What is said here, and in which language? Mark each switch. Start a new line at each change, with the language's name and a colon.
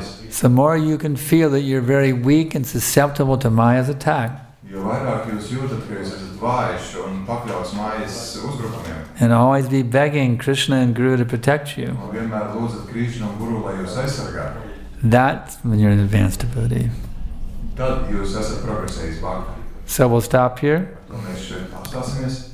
English: So the more you can feel that you're very weak and susceptible to Maya's attack,
Latvian: jo vairāk jūs jūtat, ka jūs esat vājuši un pakļauts Mayas uzbrukumiem.
English: And always be begging Krishna and Guru to protect you.
Latvian: Un vienmēr lūdzat Krishna un Guru, lai jūs aizsargātu.
English: That's when you're in advanced ability.
Latvian: Tad jūs esat progresējis bhakti.
English: So we'll stop here.
Latvian: Un mēs šeit pastāsimies.